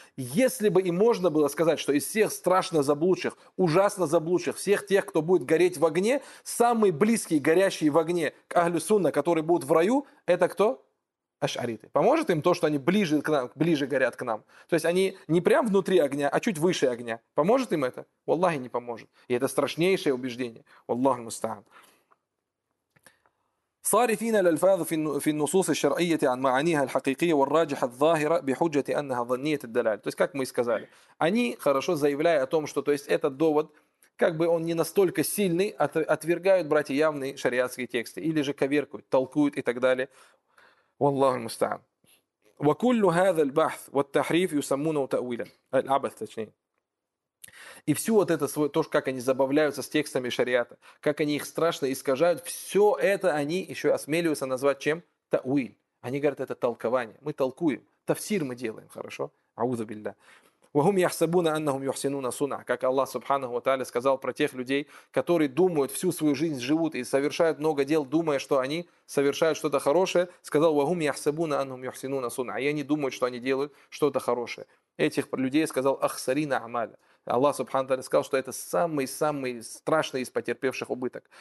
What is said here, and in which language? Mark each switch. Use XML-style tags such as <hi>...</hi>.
<ru>Если бы и можно было сказать, что из всех страшно заблудших, ужасно заблудших, всех тех, кто будет гореть в огне, самые близкие, горящие в огне к Ахлю Сунна, которые будут в раю, это кто? Ашариты. Поможет им то, что они ближе к нам, ближе горят к нам? То есть они не прям внутри огня, а чуть выше огня. Поможет им это? Валлахи, не поможет. И это страшнейшее убеждение. Валлаху мустаан.</ru> <ar>صارفين الألفاظ في النصوص الشرعية عن معانيها الحقيقية والراجحة الظاهرة بحجة أنها ظنية الدلالة.</ar> <ru>То есть, как мы и сказали, они хорошо заявляют о том, что то есть этот довод, как бы он не настолько сильный, отвергают, братья, явные шариатские тексты или же коверкуют, толкуют и так далее.</ru> <ar>والله المستعان. وكل هذا البحث والتحريف يسمونه تأويلا.</ar> <ru>العبث точнее. И все вот это, то, как они забавляются с текстами шариата, как они их страшно искажают, все это они еще осмеливаются назвать чем? Тауиль. Они говорят, это толкование. Мы толкуем. Тафсир мы делаем, хорошо? Аузу билля.</ru> <ar>وهم يحسبون أنهم يحسنون صنع.</ar> <ru>Как Аллах Субханаху ва Тааля сказал про тех людей, которые думают, всю свою жизнь живут и совершают много дел, думая, что они совершают что-то хорошее, сказал,</ru> <ar>وهم يحسبون أنهم يحسنون صنع.</ar> <ru>И они думают, что они делают что-то хорошее. Этих людей сказал</ru> <ar>أخسرين أعمال.</ar> <ru>Аллах Субхану Тааля сказал, что это самый-самый страшный из потерпевших убыток.</ru>